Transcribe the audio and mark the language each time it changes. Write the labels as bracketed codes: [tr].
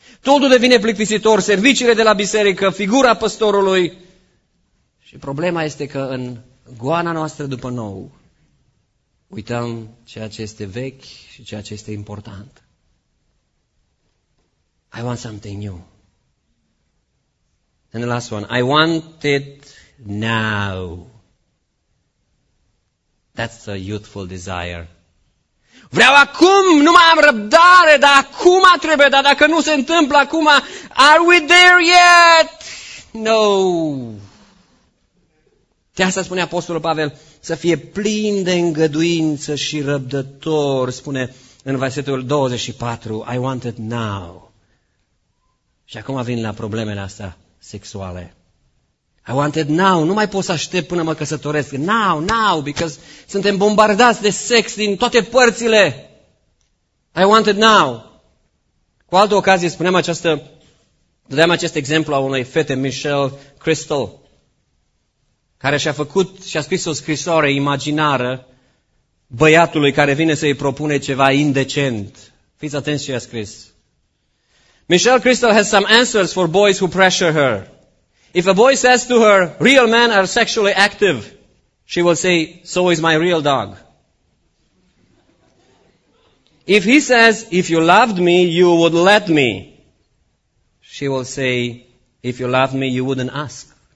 [ro] Totul devine plictisitor, serviciile de la biserică, figura păstorului. Și problema este că în goana noastră după nou, uităm ceea ce este vechi și ceea ce este important. [en] I want something new. And the last one, I want it now. That's a youthful desire. [ro] Vreau acum, nu mai am răbdare, dar acum trebuie, dar dacă nu se întâmplă acum, [en] are we there yet? No. [ro] De asta spune Apostolul Pavel, să fie plin de îngăduință și răbdător, spune în versetul 24, [en] I want it now. [ro] Și acum vin la problemele astea sexuale. [en] I want it now, [ro] nu mai pot să aștept până mă căsătoresc. [en] Now, now, because [ro] suntem bombardați de sex din toate părțile. [en] I want it now. [ro] Cu altă ocazie spuneam această, dădeam acest exemplu a unei fete, Michelle Crystal, care și-a făcut, și-a scris o scrisoare imaginară băiatului care vine să-i propune ceva indecent. Fiți atenți ce a scris. [en] Michelle Crystal has some answers for boys who pressure her. If a boy says to her, real men are sexually active, she will say, so is my real dog. If he says, if you loved me, you would let me, she will say, if you loved me, you wouldn't ask.